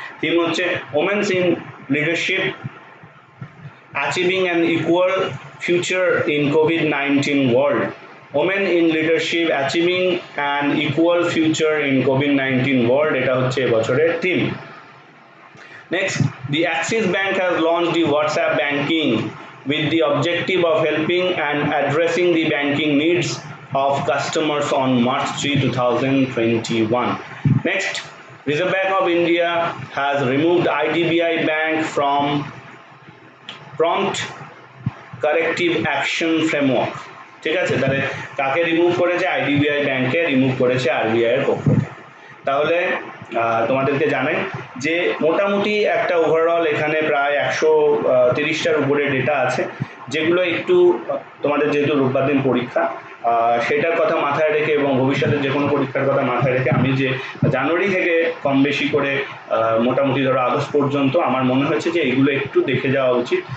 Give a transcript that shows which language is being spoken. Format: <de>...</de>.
<bn>Theme হচ্ছে</bn> <en>women's in leadership achieving an equal future in COVID-19 world, women in leadership achieving an equal future in COVID-19 world,</en> <bn>এটা হচ্ছে এবছরের theme.</bn> <en>Next, the Axis bank has launch the WhatsApp banking with the objective of helping and addressing the banking needs of customers on March 3, 2021. Next, Reserve Bank of India has removed IDBI Bank from prompt corrective action framework.</en> <bn>ঠিক আছে, তাহলে কাকে remove করেছে, IDBI ব্যাঙ্ককে remove করেছে RBI এর পক্ষ থেকে। তাহলে তোমাদেরকে জানাই যে মোটামুটি একটা ওভারঅল এখানে প্রায় 130টার উপরে ডেটা আছে, যেগুলো একটু তোমাদের যেহেতু রোববার দিন পরীক্ষা সেটার কথা মাথায় রেখে এবং ভবিষ্যতে যে কোনো পরীক্ষার কথা মাথায় রেখে আমি যে জানুয়ারি থেকে কম বেশি করে মোটামুটি ধরো আগস্ট পর্যন্ত আমার মনে হয়েছে যে এইগুলো একটু দেখে যাওয়া উচিত।</bn>